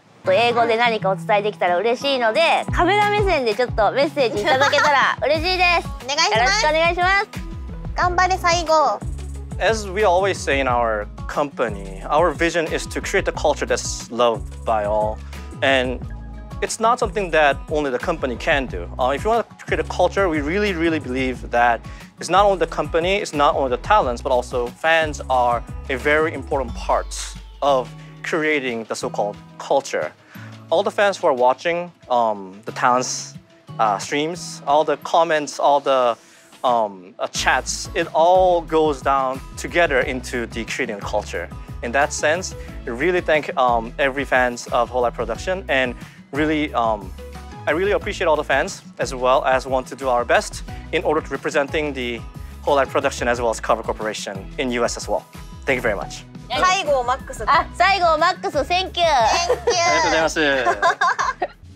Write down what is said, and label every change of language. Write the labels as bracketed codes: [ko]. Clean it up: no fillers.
[ja] 英語で何かお伝えできたら嬉しいので、カメラ目線でちょっとメッセージいただけたら嬉しいです。お願いします。よろしくお願いします。頑張れ西郷。 [en] As we always say in our company, our vision is to create a culture that's loved by all. And it's not something that only the company can do. If you want to create a culture, we really, really believe that it's not only the company, it's not only the talents, but also fans are a very important part ofcreating the so-called culture. All the fans who are watching the talents streams, all the comments, all the chats, it all goes down together into the creating culture. In that sense, I really thank every fans of Whole Life Production, and really, I really appreciate all the fans, as well as want to do our best in order to representing the Whole Life Production as well as Cover Corporation in US as well. Thank you very much. [ja] 西郷マックス。あ、西郷マックス、センキュー。センキュー。ありがとうございます。